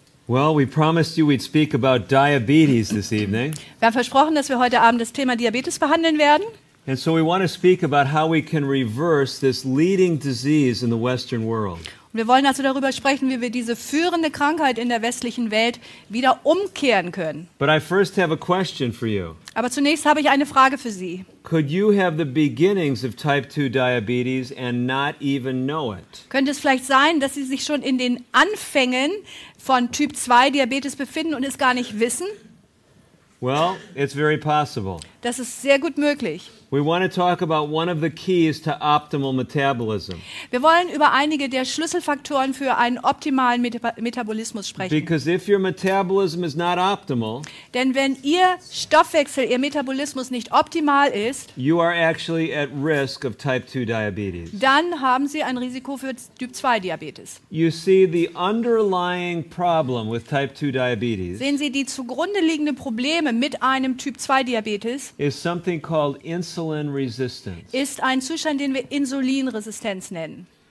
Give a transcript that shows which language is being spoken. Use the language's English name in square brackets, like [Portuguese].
[English] Well, we promised you we'd speak about diabetes this evening. [German] Wir haben versprochen, dass wir heute Abend das Thema Diabetes behandeln werden. [English] And so we want to speak about how we can reverse this leading disease in the Western world. [German] Und wir wollen also darüber sprechen, wie wir diese führende Krankheit in der westlichen Welt wieder umkehren können. [English] But I first have a question for you. [German] Aber zunächst habe ich eine Frage für Sie. [English] Could you have the beginnings of type 2 diabetes and not even know it? [German] Könnte es vielleicht sein, dass Sie sich schon in den Anfängen von Typ 2 Diabetes befinden und es gar nicht wissen? [English] Well, it's very possible. [German] Das ist sehr gut möglich. [English] We want to talk about one of the keys to optimal metabolism. [German] Wir wollen über einige der Schlüsselfaktoren für einen optimalen Metabolismus sprechen. [English] Because if your metabolism is not optimal, [German] denn wenn Ihr Stoffwechsel, Ihr Metabolismus nicht optimal ist, [English] you are actually at risk of type 2 diabetes. [German] Dann haben Sie ein Risiko für Typ 2 Diabetes. [English] You see the underlying problem with type 2 diabetes. [German] Sehen Sie die zugrunde liegenden Probleme mit einem Typ 2 Diabetes? [English] Is something called insulin resistance. [German] Ist ein Zustand, den wir Insulinresistenz nennen.